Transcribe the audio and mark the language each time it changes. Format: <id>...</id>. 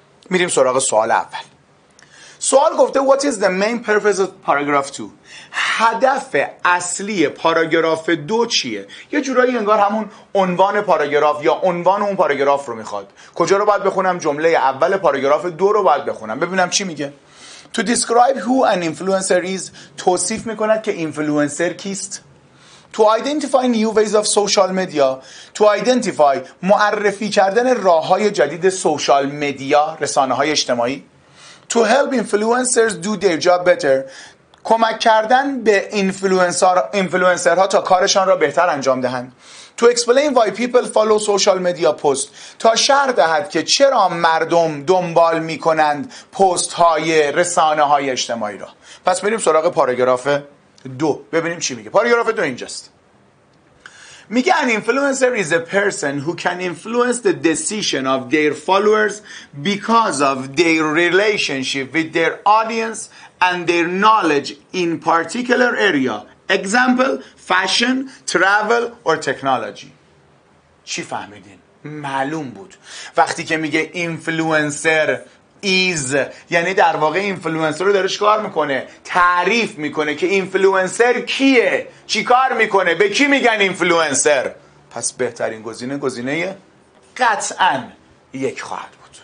<fa>میریم سراغ سوال اول. سوال گفته</fa> <en>What is the main purpose of paragraph 2؟</en> <fa>هدف اصلی پاراگراف دو چیه؟ یه جورایی انگار همون عنوان پاراگراف یا عنوان اون پاراگراف رو میخواد. کجا رو باید بخونم؟ جمله اول پاراگراف دو رو باید بخونم. ببینم چی میگه.</fa> <en>To describe who an influencer is،</en> <fa>توصیف میکند که اینفلوئنسر کیست.</fa> <en>To identify new ways of social media،</en> <fa>To identify معرفی کردن راه های جدید سوشال مدیا، رسانه های اجتماعی.</fa> <en>To help influencers do their job better،</en> <fa>کمک کردن به اینفلوئنسرها تا کارشان را بهتر انجام دهند.</fa> <en>To explain why people follow social media posts،</en> <fa>تا شرح دهد که چرا مردم دنبال می کنند پست های رسانه های اجتماعی را. پس بریم سراغ پاراگراف دو ببینیم چی میگه. پاراگراف دو اینجاست.</fa> <en>میگه an influencer is a person who can influence the decision of their followers because of their relationship with their audience and their knowledge in particular area. Example, fashion, travel or technology.</en> <fa>چی فهمیدین؟ معلوم بود. وقتی که میگه influencer is، یعنی در واقع اینفلوئنسر رو داره چیکار میکنه، تعریف میکنه که اینفلوئنسر کیه، چیکار میکنه، به کی میگن اینفلوئنسر، پس بهترین گزینه گزینه قطعا یک خواهد.</fa>